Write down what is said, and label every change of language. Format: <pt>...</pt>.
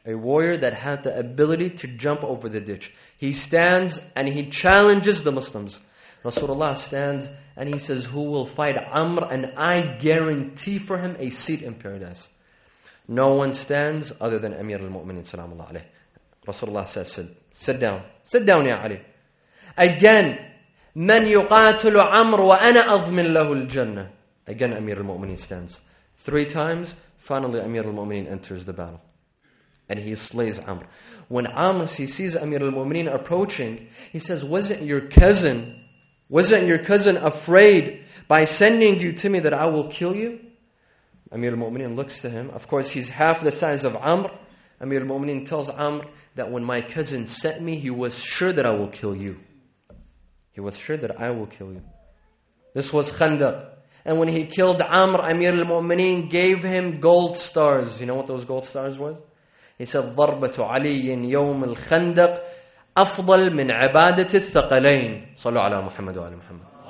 <en>A warrior that had the ability to jump over the ditch. He stands and he challenges the Muslims. Rasulullah stands and he says, who will fight Amr? And I guarantee for him a seat in paradise. No one stands other than Amir al-Mu'minin salamullah alayhi. Rasulullah says, sit down, Ya Ali. Again,</en> <ar>من يقاتل عمر وأنا أضمن له الجنة.</ar> <en>Again, Amir al-Mu'minin stands. Three times, finally Amir al-Mu'minin enters the battle. And he slays Amr. When Amr, he sees Amir al-Mu'minin approaching, he says, wasn't your cousin afraid by sending you to me that I will kill you? Amir al-Mu'minin looks to him. Of course, he's half the size of Amr. Amir al-Mu'minin tells Amr that when my cousin sent me, he was sure that I will kill you. He was sure that I will kill you. This was Khandaq. And when he killed Amr, Amir al-Mu'minin gave him gold stars. You know what those gold stars were? He said,</en> <ar>ضَرْبَةُ عَلِيٍّ يَوْمِ الْخَنْدَقِ أَفْضَلْ مِنْ عَبَادَةِ الثَّقَلَيْنِ صَلُّ عَلَى مُحَمَّدُ وَعَلَى مُحَمَّدُ.</ar>